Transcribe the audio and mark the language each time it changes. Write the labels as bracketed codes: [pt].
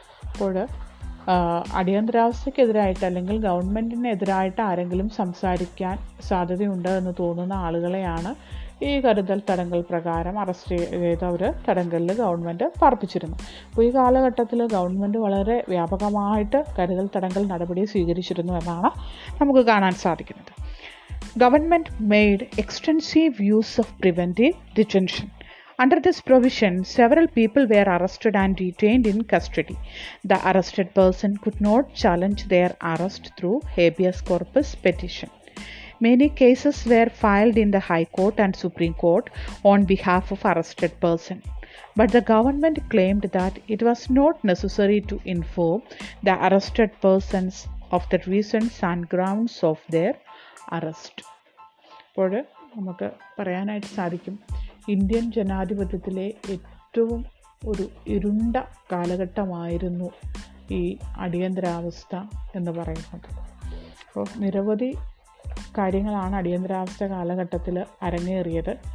[ml] അപ്പോൾ അടിയന്തരാവസ്ഥയ്ക്കെതിരായിട്ട് അല്ലെങ്കിൽ ഗവൺമെൻറ്റിനെതിരായിട്ട് ആരെങ്കിലും സംസാരിക്കാൻ സാധ്യതയുണ്ട് എന്ന് തോന്നുന്ന ആളുകളെയാണ് ഈ കരുതൽ തടങ്കൽ പ്രകാരം അറസ്റ്റ് ചെയ്ത് അവർ തടങ്കലിൽ ഗവൺമെൻറ് പാർപ്പിച്ചിരുന്നു. അപ്പോൾ ഈ കാലഘട്ടത്തിൽ ഗവൺമെൻറ് വളരെ വ്യാപകമായിട്ട് കരുതൽ തടങ്കൽ നടപടി സ്വീകരിച്ചിരുന്നു എന്നാണ് നമുക്ക് കാണാൻ സാധിക്കുന്നത്. [en] Government made extensive use of preventive detention. Under this provision, several people were arrested and detained in custody. The arrested person could not challenge their arrest through habeas corpus petition. Many cases were filed in the High Court and Supreme Court on behalf of arrested person. But the government claimed that it was not necessary to inform the arrested persons of the reasons and grounds of their arrest. [ml] പോടെ നമുക്ക് പറയാനായിട്ട് സാധിക്കും, Indian ജനാധിപത്യത്തിലെ ഏറ്റവും ഒരു ഇരുണ്ട കാലഘട്ടമായിരുന്നു ഈ അടിയന്തരാവസ്ഥ എന്ന് പറയുന്നത്. അപ്പോൾ നിരവധി കാര്യങ്ങളാണ് അടിയന്തരാവസ്ഥ കാലഘട്ടത്തിൽ അരങ്ങേറിയത്.